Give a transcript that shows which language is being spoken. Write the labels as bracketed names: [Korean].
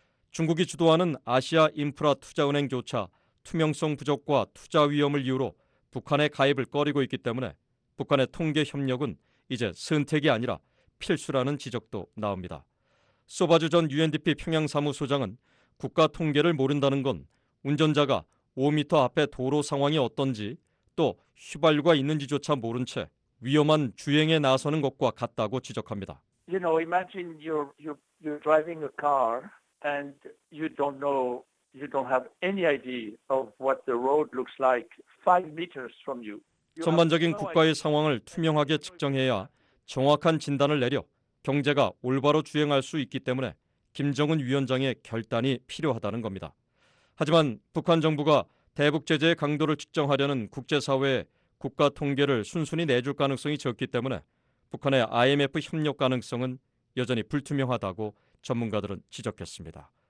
[Korean] 중국이 주도하는 아시아 인프라 투자은행조차 투명성 부족과 투자 위험을 이유로 북한의 가입을 꺼리고 있기 때문에 북한의 통계 협력은 이제 선택이 아니라 필수라는 지적도 나옵니다. 소바주 전 UNDP 평양사무소장은 국가 통계를 모른다는 건 운전자가 5m 앞에 도로 상황이 어떤지 또 휘발유가 있는지조차 모른 채 위험한 주행에 나서는 것과 같다고 지적합니다. [English] You know, imagine you're driving a car and you don't have any idea of what the road looks like 5m from you. [Korean] 전반적인 국가의 상황을 투명하게 측정해야 정확한 진단을 내려 경제가 올바로 주행할 수 있기 때문에 김정은 위원장의 결단이 필요하다는 겁니다. 하지만 북한 정부가 대북 제재의 강도를 측정하려는 국제사회에 국가 통계를 순순히 내줄 가능성이 적기 때문에 북한의 IMF 협력 가능성은 여전히 불투명하다고 전문가들은 지적했습니다.